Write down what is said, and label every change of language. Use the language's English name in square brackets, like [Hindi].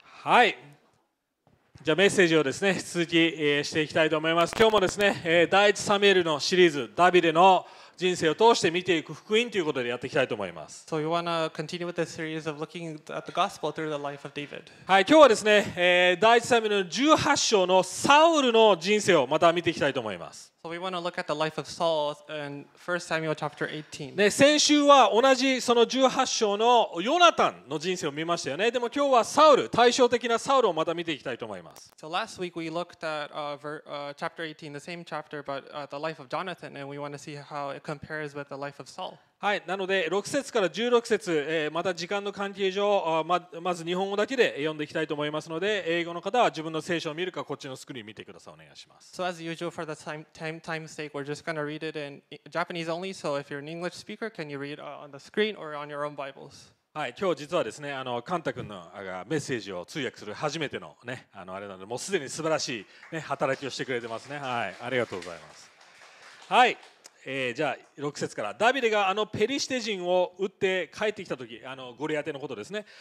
[Japanese] はい、じゃあメッセージをですね引き続きしていきたいと思います。今日もですね、第一サミュエルのシリーズ、ダビデの人生を通して見ていく福音ということでやっていきたいと思います。 [English] So you wanna continue with the series of looking at the gospel through the life of David. [Japanese] はい、今日はですね、第一サミュエルの18章のサウルの人生をまた見ていきたいと思います。 [English] So we wanna look at the life of Saul in 1 Samuel chapter 18. [Japanese] ね、先週は同じその18章のヨナタンの人生を見ましたよね。でも今日はサウル、対照的なサウルをまた見ていきたいと思います。 [English] So last week we looked at chapter 18, the same chapter, but the life of Jonathan, and we wanna see how it compares with the life of Saul. [Japanese] はい、なので6節から16節、また時間の関係上、まず日本語だけで読んでいきたいと思いますので、英語の方は自分の聖書を見るか、こっちのスクリーン見てください。お願いします。 [English] So as usual for the time's sake, we're just going to read it in Japanese only. So if you're an English speaker, can you read on the screen or on your own Bibles? [Japanese] はい、今日実はですね、カンタ君がメッセージを通訳する初めてのね、あれなので、もうすでに素晴らしい、ね、働きをしてくれてますね。はい、ありがとうございます。はい、じゃあ6節から。ダビデがあのペリシテ人を撃って帰ってきたとき、ゴリアテのことですね。